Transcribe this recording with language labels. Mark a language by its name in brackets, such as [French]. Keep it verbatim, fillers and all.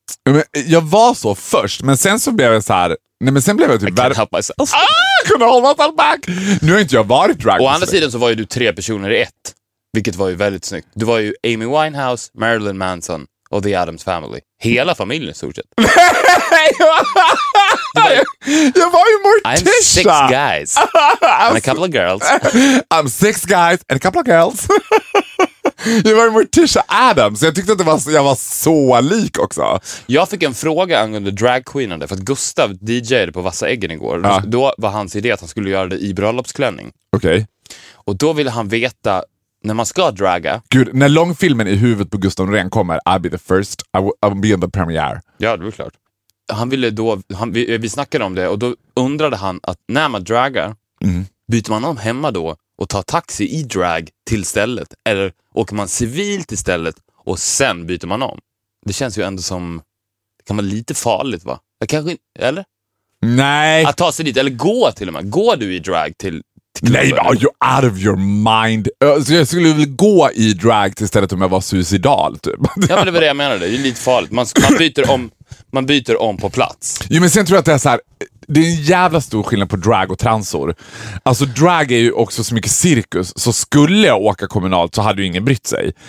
[Swedish] Men jag var så först, men sen så blev jag så här. Nej, men sen blev jag typ [English] I can't help myself. [Swedish] Ah, kunde hålla all back. Nu har inte jag varit drag. Å andra sidan så var ju du tre personer i ett, vilket var ju väldigt snyggt. Du var ju Amy Winehouse, Marilyn Manson och The Addams Family. Hela familjen i stort sett. Jag, jag var ju Morticia. [English] I'm six guys and a couple of girls. I'm six guys and a couple of girls. [Swedish] Jag var ju Morticia Addams. Jag tyckte att det var så, jag var så lik också. Jag fick en fråga angående dragqueenande. För att Gustav D J'ade på Vassa äggen igår. Ja. Då var hans idé att han skulle göra det i bröllopsklänning. Okej. Okay. Och då ville han veta när man ska draga. Gud, när långfilmen i huvudet på Gustav Norén kommer, [English] I'll be the first, I will, I'll be in the premiere. [Swedish] Ja, det var klart. Han ville då, han, vi, vi snackade om det. Och då undrade han att när man dragar, mm. byter man om hemma då och tar taxi i drag till stället? Eller åker man civilt till stället och sen byter man om? Det känns ju ändå som... Det kan vara lite farligt, va? Jag kanske, eller? Nej. Att ta sig dit, eller gå till och med. Går du i drag till... till nej, men [English] are you out of your mind? [Swedish] Alltså, jag skulle väl gå i drag till stället om jag var suicidal, typ. Ja, men det var det jag menade. Det är lite farligt. Man, man, byter, om, man byter om på plats. Jo, men sen tror jag att det är så här... Det är en jävla stor skillnad på drag och transor. Alltså drag är ju också så mycket cirkus. Så skulle jag åka kommunalt så hade ju ingen brytt sig.